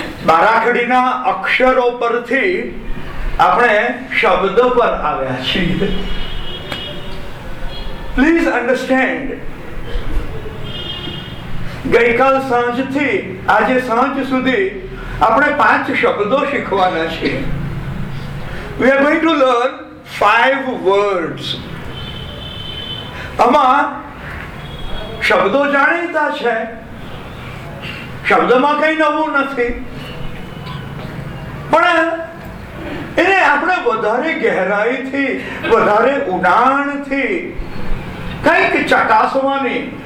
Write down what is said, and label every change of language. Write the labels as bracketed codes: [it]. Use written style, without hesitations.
[gu] બારાખડીના અક્ષરો પરથી આપણે શબ્દ પર આવ્યા છીએ [en] Please understand, [gu] ગઈકાલ સાંજથી આજે સાંજ સુધી આપણે 5 શબ્દો શીખવાના છે. [en] We are going to learn 5 words. [gu] આમાં શબ્દો જાણીતા છે, શબ્દમાં કઈ નવું નથી, પણ એને આપણે વધારે ગહેરાઈથી વધારે ઉડાણથી કઈક ચકાસવાની.